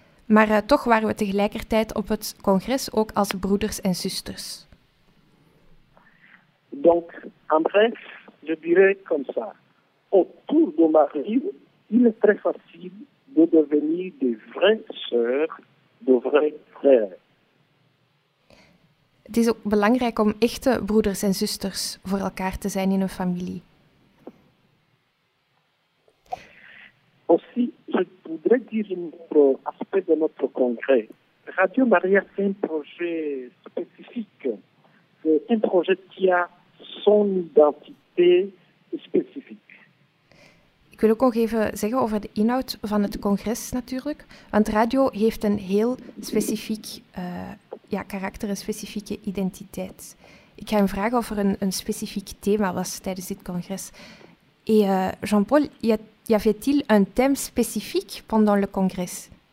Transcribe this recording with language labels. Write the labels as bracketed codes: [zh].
[nl] Maar toch waren we tegelijkertijd op het congres ook als broeders en zusters. [fr] Donc, en bref, je dirais comme ça. Autour de Marie, il est très facile de devenir des vraies sœurs, de vrais frères. [nl] Het is ook belangrijk om echte broeders en zusters voor elkaar te zijn in een familie. [fr] Aussi, je voudrais dire un autre aspect de notre congrès. Radio Maria, c'est un projet spécifique. C'est un projet qui a son identité spécifique. [nl] Ik wil ook nog even zeggen over de inhoud van het congres natuurlijk. Want radio heeft een heel specifiek karakter, een specifieke identiteit. Ik ga hem vragen of er een specifiek thema was tijdens dit congres. [fr] Et Jean-Paul, y avait-il un thème spécifique pendant le congrès?